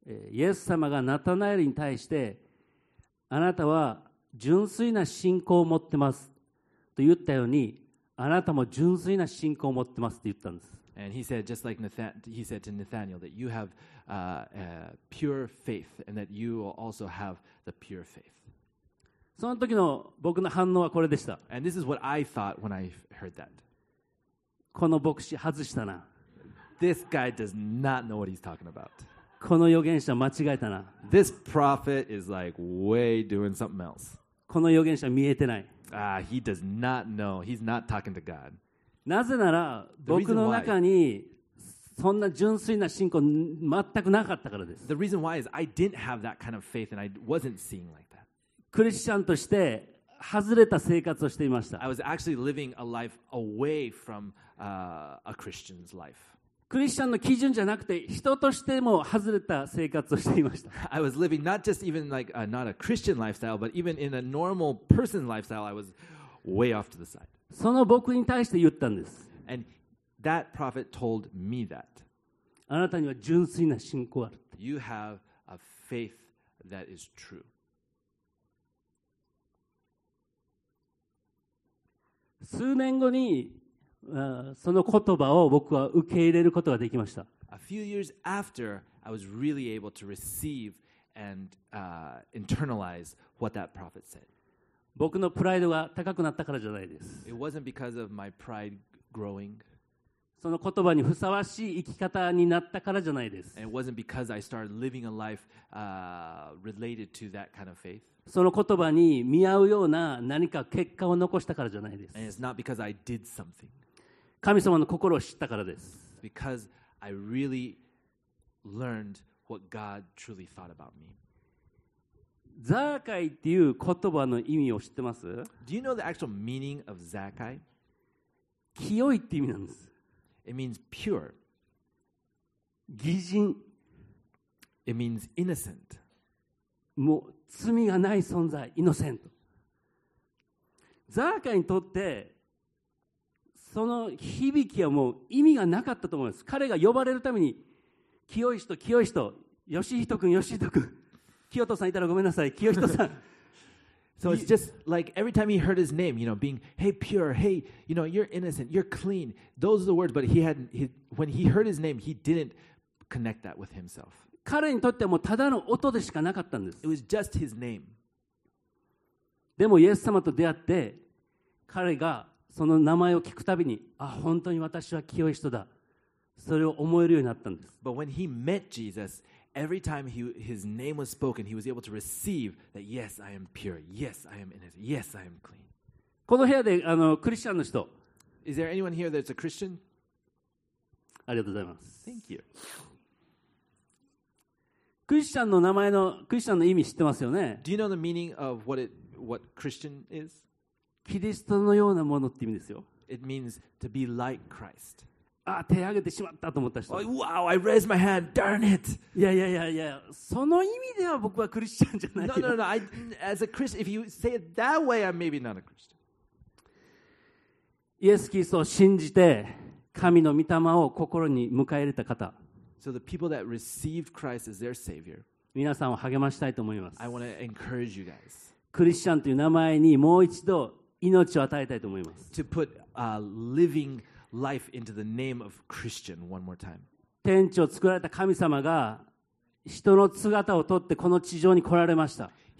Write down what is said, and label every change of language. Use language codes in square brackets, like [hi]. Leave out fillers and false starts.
[ja] イエス様がナタナエルに対してあなたは純粋な信仰を持ってますと言ったようにあなたも純粋な信仰を持ってますと言ったんです。 [en] And he said, just like he said to Nathaniel, that you have pure faith and that you will also have the pure faith. [ja] その時の僕の反応はこれでした。 [en] And this is what I thought when I heard that. [ja] この牧師外したな。 [en] This guy does not know what he's talking about. [ja] この預言者間違えたな。 [en] This prophet is like way doing something else. [ja] この預言者見えてない。 [en] He does not know. He's not talking to God. [ja] なぜなら僕の中にそんな純粋な信仰全くなかったからです。 [en] The reason why is I didn't have that kind of faith and I wasn't seeing like that. [ja] クリスチャンとして外れた生活をしていました。 [en] I was actually living a life away from a Christian's life. [ja] クリスチャンの基準じゃなくて人としても外れた生活をしていました。 [en] I was living not just even like not a Christian lifestyle, but even in a normal person's lifestyle, I was way off to the side. [ja] その僕に対して言ったんです。 [en] And that prophet told me that. [ja] あなたには純粋な信仰ある。 [en] You have a faith that is true. [ja] 数年後にその言葉を僕は受け入れることができました。 [en] A few years after, I was really able to receive and internalize what that prophet said. [ja] 僕のプライドが高くなったからじゃないです。 [en] It wasn't because of my pride growing. [ja] その言葉にふさわしい生き方になったからじゃないです。 [en] And it wasn't because I started living a life related to that kind of faith. [ja] その言葉に見合うような何か結果を残したからじゃないです。 [en] It's not because I did something. [ja] 神様の心を知ったからです。 [en] It's because I really learned what God truly thought about me. [ja] ザーカイっていう言葉の意味を知ってます？ [en] Do you know the actual meaning of ザーカイ？ [ja] 清いって意味なんです。 [en] It means pure. [ja] 義人。 [en] It means innocent. [ja] もう罪がない存在、イノセント。ザーカイにとってその響きはもう意味がなかったと思います。彼が呼ばれるために清い人、清い人、ヨシヒト君、ヨシヒト君、清人さんいたらごめんなさい、清人さん。 [en] So it's just like every time he heard his name, you know, being, hey, pure, hey, you know, you're innocent, you're clean. Those are the words, but he hadn't, he, when he heard his name, he didn't connect that with himself. [ja] 彼にとってもただの音でしかなかったんです。 [en] It was just his name. [ja] でもイエス様と出会って、彼がその名前を聞くたびに、あ、本当に私は清い人だ。それを思えるようになったんです。 [en] But when he met Jesus, every time his name was spoken, he was able to receive that, yes, I am pure. Yes, I am innocent. Yes, I am clean. [ja] この部屋でクリスチャンの人。 [en] Is there anyone here that's a Christian? [ja] ありがとうございます。 [en] Thank you. [ja] クリスチャンの名前のクリスチャンの意味知ってますよね。 [en] Do you know the meaning of what Christian is? [ja] キリストのようなものって意味ですよ。 [en] It means to be like Christ. [ja] あ、手挙げてしまったと思った人。 [en] Oh, wow, I raised my hand. Darn it! [ja] いや、その意味では僕はクリスチャンじゃないよ。 [en] No. I, as a Christian, if you say it that way, I'm maybe not a Christian. [ja] イエス・キリストを信じて神の御霊を心に迎え入れた方。 [en] So the people that received Christ as their savior. [ja] 皆さんを励ましたいと思います。 [en] I want to encourage you guys. [ja] クリスチャンという名前にもう一度命を与えたいと思います。 [en] To put a living life into the name of Christian one more time. [ja] 天地を作られた神様が人の姿をとってこの地上に来られました。